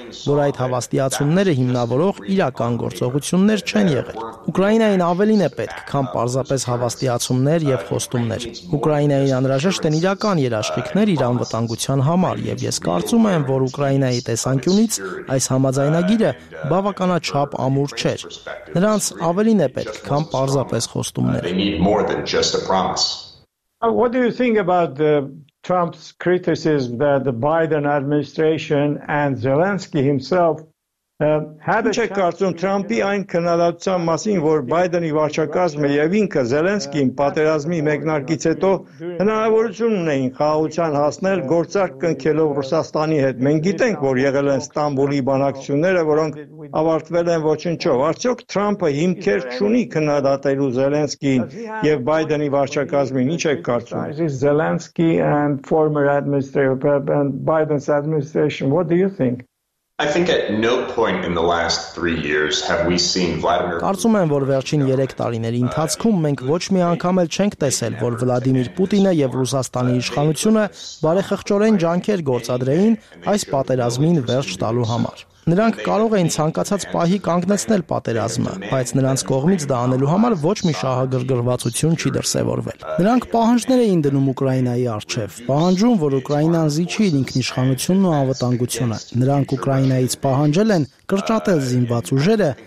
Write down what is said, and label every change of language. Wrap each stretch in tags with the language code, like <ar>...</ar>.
<hy>որ այդ հավաստիացումները հիմնավորող իրական գործողություններ չեն եղել։ Ուկրաինային ավելին է պետք, քան պարզապես հավաստիացումներ եւ խոստումներ։ Ուկրաինայի անհրաժեշտ են իրական երաշխիքներ իր անվտանգության համար։ Եվ ես կարծում եմ, որ Ուկրաինայի տեսանկյունից այս համաձայնագիրը բավականաչափ ամուր չէր։ Նրանց ավելին է պետք, քան պարզապես խոստումներ։</hy> <en>What do you think about Trump's criticism that the Biden administration and Zelensky himself</en> <hy>Ինչ եք կարծում Թրամփի այն քննադատության մասին, որ Բայդենի վարչակազմը եւ ինքը Զելենսկին պատերազմի մեկնարկից հետո հնարավորություն ունեին խաղաղության հասնել գործարք կնքելով Ռուսաստանի հետ։ Մենք գիտենք, որ եղել են Ստամբուլի բանակցությունները, որոնք ավարտվել են ոչնչով։ Արդյոք Թրամփը հիմքեր չունի քննադատելու Զելենսկին եւ Բայդենի վարչակազմին, ինչ եք կարծում։</hy> <en>Zelensky and former administration, Biden's administration, what do you think? I think at no point in the last 3 years have we seen Vladimir Putin.</en> <hy>Կարծում եմ, որ վերջին 3 տարիների ընթացքում մենք ոչ մի անգամ էլ չենք տեսել, որ Վլադիմիր Պուտինը եւ Ռուսաստանի իշխանությունը բարեխղճորեն ջանքեր գործադրեին այս պատերազմին վերջ տալու համար։ Նրանք կարող էին ցանկացած պահի կանգնեցնել պատերազմը, բայց նրանց կողմից դա անելու համար ոչ մի շահագրգռվածություն չի դրսևորվել։ Նրանք պահանջներ էին դնում Ուկրաինայի առջև, պահանջում, որ Ուկրաինան զիջի իր ինքնիշխանությունն ու անվտանգությունը։ Նրանք Ուկրաինայից պահանջել են կրճատել զինված ուժերը</hy>